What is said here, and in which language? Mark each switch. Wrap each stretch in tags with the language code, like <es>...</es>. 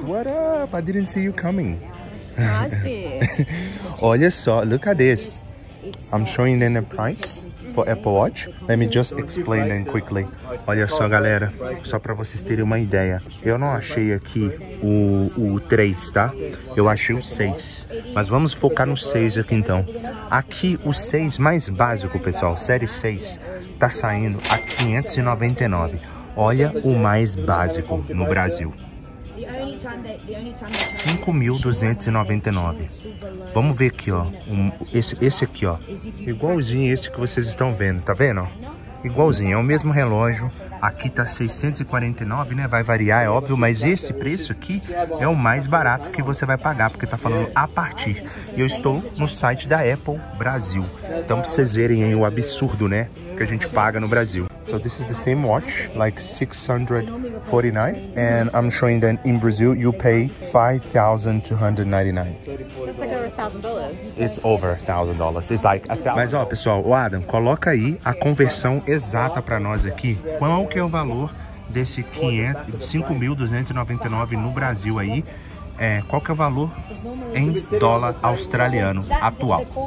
<en>What up? I didn't see you coming.</en> <pt>Olha só,</pt> <en>look at this. I'm showing them the price for Apple Watch. Let me just explain them quickly.</en> <pt>Olha só, galera, só para vocês terem uma ideia. Eu não achei aqui o 3, tá? Eu achei o 6. Mas vamos focar no 6 aqui, então. Aqui, o 6 mais básico, pessoal, série 6, tá saindo a R$599. Olha o mais básico no Brasil. R$5.299. Vamos ver aqui, ó. Esse aqui, ó. Igualzinho esse que vocês estão vendo, tá vendo? Igualzinho, é o mesmo relógio. Aqui tá 649, né? Vai variar, é óbvio, mas esse preço aqui é o mais barato que você vai pagar, porque tá falando a partir. E eu estou no site da Apple Brasil. Então pra vocês verem aí o absurdo, né? Que a gente paga no Brasil.</pt> <en>So this is the same watch, like 649, and I'm showing that in Brazil you pay 5,299. It's over $1,000. It's like $1,000.</en> <pt>Mas ó, pessoal, o Adam, coloca aí a conversão exata para nós aqui. Qual que é o valor desse 5.299 no Brasil aí? É, qual que é o valor em dólar australiano atual?</pt>